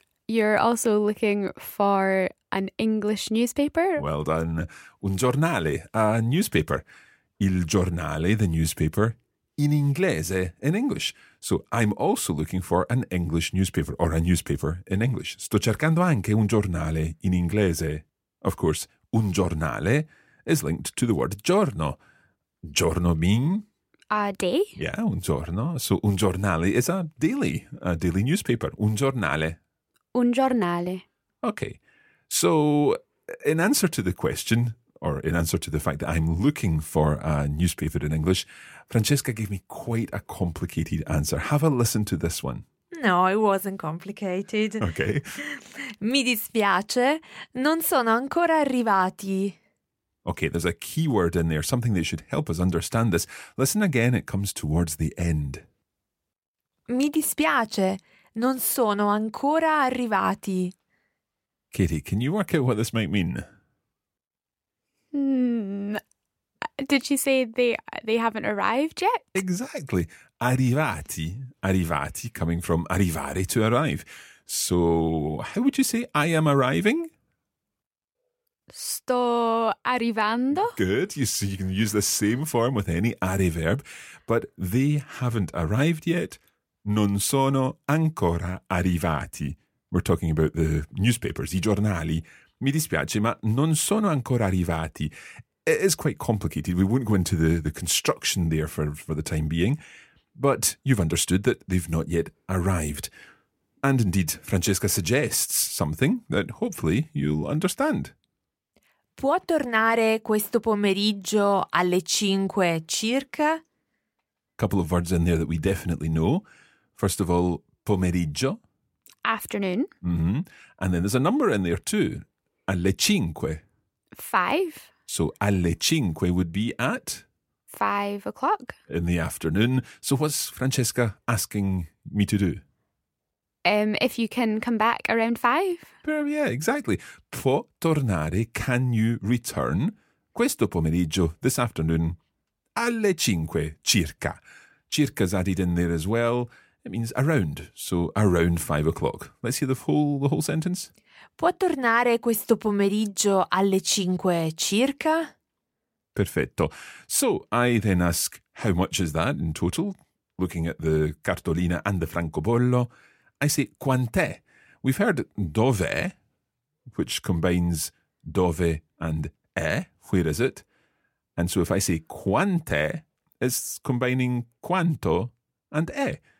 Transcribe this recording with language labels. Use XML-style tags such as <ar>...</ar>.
<en>You're also looking for an English newspaper? Well done.</en> <it>Un giornale,</it> <en>a newspaper.</en> <it>Il giornale,</it> <en>the newspaper,</en> <it>in inglese,</it> <en>in English. So I'm also looking for an English newspaper or a newspaper in English.</en> <it>Sto cercando anche un giornale in inglese.</it> <en>Of course,</en> <it>un giornale</it> <en>is linked to the word giorno. Giorno mean? A day. Yeah,</en> <it>un giorno.</it> <en>So</en> <it>un giornale</it> <en>is a daily newspaper.</en> <it>Un giornale. Un giornale.</it> <en>Okay. So in answer to the question, or in answer to the fact that I'm looking for a newspaper in English, Francesca gave me quite a complicated answer. Have a listen to this one. No, it wasn't complicated. Okay.</en> <it>Mi dispiace, non sono ancora arrivati.</it> <en>Okay, there's a key word in there, something that should help us understand this. Listen again, it comes towards the end.</en> <it>Mi dispiace, non sono ancora arrivati.</it> <en>Katie, can you work out what this might mean? Did she say they haven't arrived yet? Exactly. Arrivati. Arrivati, coming from arrivare, to arrive. So, how would you say I am arriving?</en> <it>Sto arrivando.</it> <en>Good. So you can use the same form with any are verb. But they haven't arrived yet.</en> <it>Non sono ancora arrivati.</it> <en>We're talking about the newspapers,</en> <it>I giornali. Mi dispiace, ma non sono ancora arrivati.</it> <en>It is quite complicated. We won't go into the construction there for the time being. But you've understood that they've not yet arrived. And indeed, Francesca suggests something that hopefully you'll understand.</en> <it>Può tornare questo pomeriggio alle 5 circa?</it> <en>Couple of words in there that we definitely know. First of all, pomeriggio. Afternoon. Mm-hmm. And then there's a number in there too.</en> <it>Alle cinque.</it> <en>Five. So</en> <it>alle cinque</it> <en>would be at? 5 o'clock. In the afternoon. So what's Francesca asking me to do? If you can come back around five. Yeah, exactly.</en> <it>Può tornare,</it> <en>can you return</en> <it>questo pomeriggio,</it> <en>this afternoon,</en> <it>alle cinque circa.</it> <en>Circa's added in there as well. It means around, so around 5 o'clock. Let's hear the whole sentence.</en> <it>Può tornare questo pomeriggio alle 5 circa? Perfetto.</it> <en>So I then ask, how much is that in total? Looking at the cartolina and the francobollo, I say,</en> <it>quant'è?</it> <en>We've heard dove, which combines dove and è, where is it? And so if I say</en> <it>quant'è,</it> <en>it's combining quanto and è.</en>